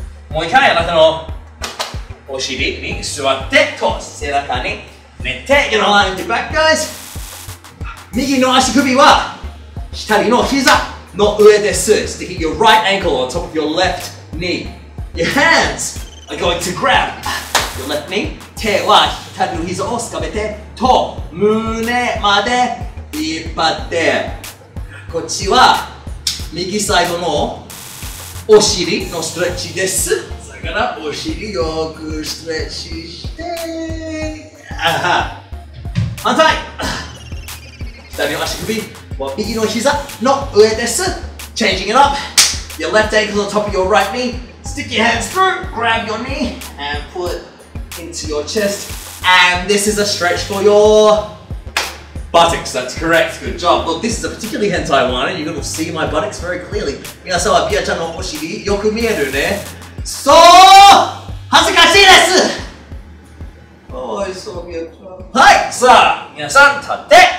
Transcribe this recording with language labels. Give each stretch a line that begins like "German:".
Japanese: もう一回、あなたのお尻に座って、と背中に。寝て、
English: you're not lying to back, guys.
Japanese: 右の足首は、下の膝の上です。
English: Sticking your right ankle on top of your left knee. Your hands are going to grab your left knee.
Japanese: 手は、下の膝をつかめて、と、胸まで引っ張って。こっちは、右サイドのお尻のストレッチです。だから、お尻よくストレッチして、反対左の足首は右の膝の上です。
English: Changing it up. Your left ankle on top of your right knee. Stick your hands through. Grab your knee and put into your chest. And this is a stretch for your butt. Buttocks, that's correct. Good job. Look, this is a particularly hentai one, and you're going to see my buttocks very clearly.
Japanese: みなさんはビアちゃんのお尻よく見えるね。そう、恥ずかしいです。おい、そう、ビアちゃん。はい、さあ、みなさん、立って。